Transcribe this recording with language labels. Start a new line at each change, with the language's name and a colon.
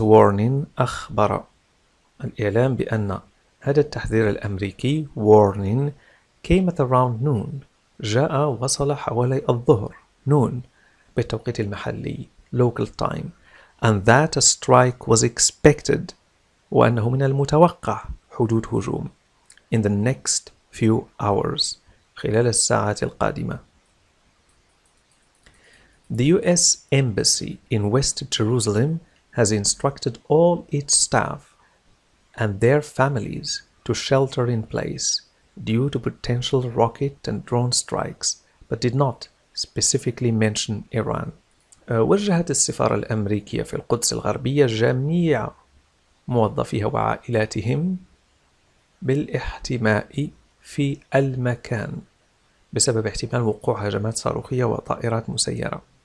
Arabic: warning أخبر الإعلام بأن هذا التحذير الأمريكي
English: warning came at around noon
Arabic: جاء وصل حوالي الظهر noon بالتوقيت المحلي
English: local time and that a strike was expected
Arabic: وأنه من المتوقع حدوث هجوم
English: in the next few hours
Arabic: خلال الساعات القادمة.
English: The U.S. Embassy in West Jerusalem has instructed all its staff and their families to shelter in place due to potential rocket and drone strikes, but did not specifically mention Iran.
Arabic: وجهت السفارة الأمريكية في القدس الغربية جميع موظفيها وعائلاتهم بالاحتماء في المكان بسبب احتمال وقوع هجمات صاروخية وطائرات مسيرة.